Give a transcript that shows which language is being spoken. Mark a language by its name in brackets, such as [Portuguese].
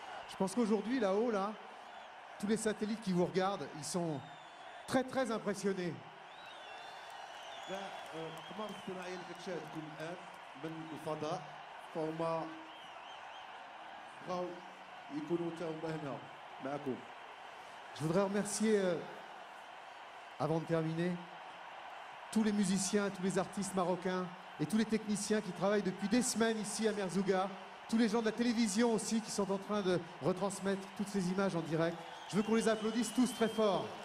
[French] Je pense qu'aujourd'hui, là-haut, là, tous les satellites qui vous regardent, ils sont très, très impressionnés. [Arabic] الأقمار الصناعية اللي كتشاهدكم الآن من الفضاء فهما بغاو يكونوا حتى هما هنا معكم. [French] Je voudrais remercier, avant de terminer, tous les musiciens, tous les artistes marocains et tous les techniciens qui travaillent depuis des semaines ici à Merzouga, tous les gens de la télévision aussi qui sont en train de retransmettre toutes ces images en direct. Je veux qu'on les applaudisse tous très fort.